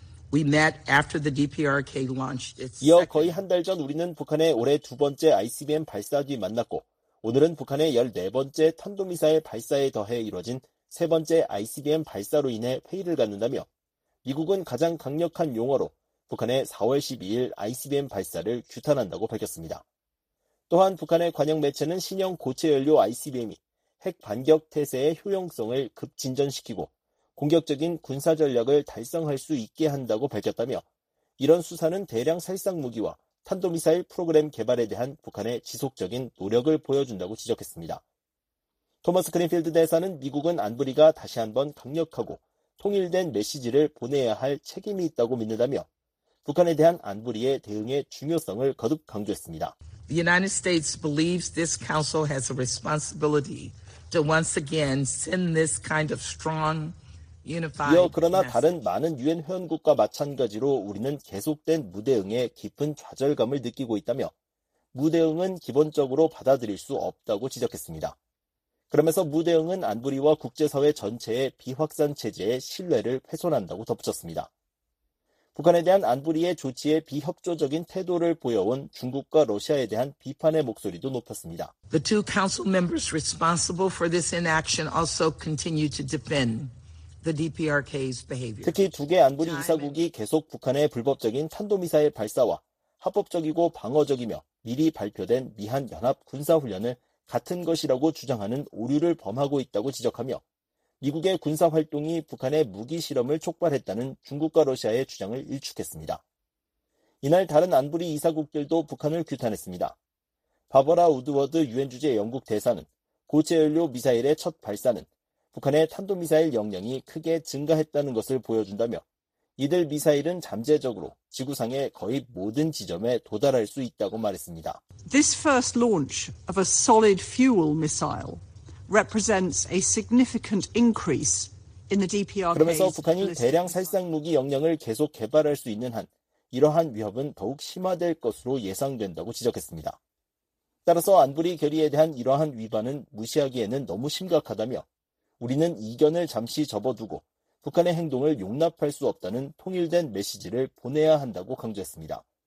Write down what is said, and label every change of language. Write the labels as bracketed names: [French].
[English] We met after the DPRK launched its second. [Korean] 이어 거의 한 달 전 우리는 북한의 올해 두 번째ICBM 발사 뒤 만났고 오늘은 북한의 14번째 탄도미사일 발사에 더해 이뤄진 세 번째 ICBM 발사로 인해 회의를 갖는다며 미국은 가장 강력한 용어로 북한의 4월 12일 ICBM 발사를 규탄한다고 밝혔습니다. 또한 북한의 관영 매체는 신형 고체연료 ICBM이 핵 반격 태세의 효용성을 급진전시키고 공격적인 군사 전략을 달성할 수 있게 한다고 밝혔다며 이런 수사는 대량 살상 무기와 탄도미사일 프로그램 개발에 대한 북한의 지속적인 노력을 보여준다고 지적했습니다. 토마스 그린필드 대사는 미국은 안보리가 다시 한번 강력하고 통일된 메시지를 보내야 할 책임이 있다고 믿는다며 북한에 대한 안보리의 대응의 중요성을 거듭 강조했습니다. [English] The United States believes this council has a responsibility to once again send this kind of strong, unified. [Korean] 이어 그러나 다른 많은 유엔 회원국과 마찬가지로 우리는 계속된 무대응에 깊은 좌절감을 느끼고 있다며 무대응은 기본적으로 받아들일 수 없다고 지적했습니다. 그러면서 무대응은 안보리와 국제사회 전체의 비확산 체제의 신뢰를 훼손한다고 덧붙였습니다. 북한에 대한 안보리의 조치에 비협조적인 태도를 보여온 중국과 러시아에 대한 비판의 목소리도 높았습니다. [English] The two council members responsible for this inaction also continue to defend the DPRK's behavior. [Korean] 특히 두 개 안보리 이사국이 계속 북한의 불법적인 탄도미사일 발사와 합법적이고 방어적이며 미리 발표된 미한 연합 군사훈련을 같은 것이라고 주장하는 오류를 범하고 있다고 지적하며 미국의 군사 활동이 북한의 무기 실험을 촉발했다는 중국과 러시아의 주장을 일축했습니다. 이날 다른 안보리 이사국들도 북한을 규탄했습니다. 바버라 우드워드 유엔 주재 영국 대사는 고체연료 미사일의 첫 발사는 북한의 탄도미사일 역량이 크게 증가했다는 것을 보여준다며 이들 미사일은 잠재적으로 지구상의 거의 모든 지점에 도달할 수 있다고 말했습니다. [English] This first launch of a solid fuel missile represents a significant increase in the DPRK. [Korean] 그러면서 북한이 대량 살상 무기 역량을 계속 개발할 수 있는 한 이러한 위협은 더욱 심화될 것으로 예상된다고 지적했습니다. 따라서 안보리 결의에 대한 이러한 위반은 무시하기에는 너무 심각하다며 우리는 이견을 잠시 접어두고 북한의 행동을 용납할 수 없다는 통일된 메시지를 보내야 한다고 강조했습니다.